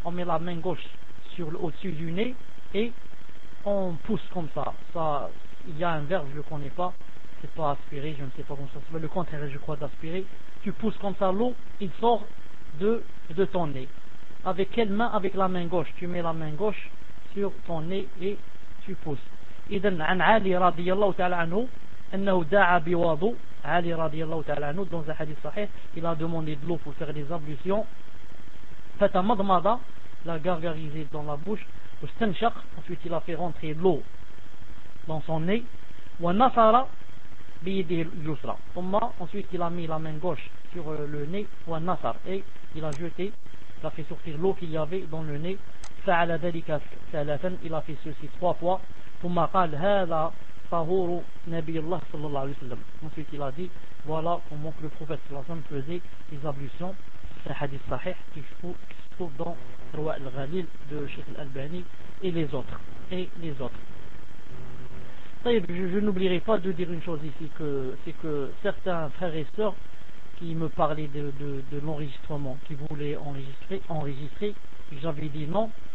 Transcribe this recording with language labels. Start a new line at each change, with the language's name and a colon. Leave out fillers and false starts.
French: On met la main gauche sur au-dessus du nez et on pousse comme ça. Ça, il y a un verbe, je ne connais pas, c'est pas aspirer, je ne sais pas comment ça s'appelle, le contraire je crois d'aspirer. Tu pousses comme ça l'eau, il sort de ton nez. Avec quelle main? Avec la main gauche. Tu mets la main gauche sur ton nez et tu pousses.
Arabic: إذن عن علي رضي الله تعالى عنه أنه دعا بوضوء. علي رضي الله تعالى عنه
French: dans un hadith sahih, il a demandé de l'eau pour faire des ablutions. Fait un madmada, l'a gargarisé dans la bouche.
Arabic: واستنشق,
French: ensuite il a fait rentrer l'eau dans son nez.
Arabic: ونصر بيده اليسرى.
French: Ensuite il a mis la main gauche sur le nez.
Arabic: ونصر,
French: et il a jeté. Il a fait sortir l'eau qu'il y avait dans le nez.
Arabic: فعل ذلك ثلاثا,
French: il a fait ceci trois fois.
Arabic: ثم قال هذا طهور نبي الله صلى الله عليه وسلم.
French: Ensuite il a dit voilà comment le prophète
Arabic: صلى الله عليه وسلم
French: faisait les ablutions. C'est un hadith sahih qui se trouve dans Rawah al-Ghalil de Cheikh al-Albani et les autres. Je n'oublierai pas de dire une chose ici, c'est que certains frères et sœurs qui me parlaient de l'enregistrement, qui voulaient enregistrer, j'avais dit non.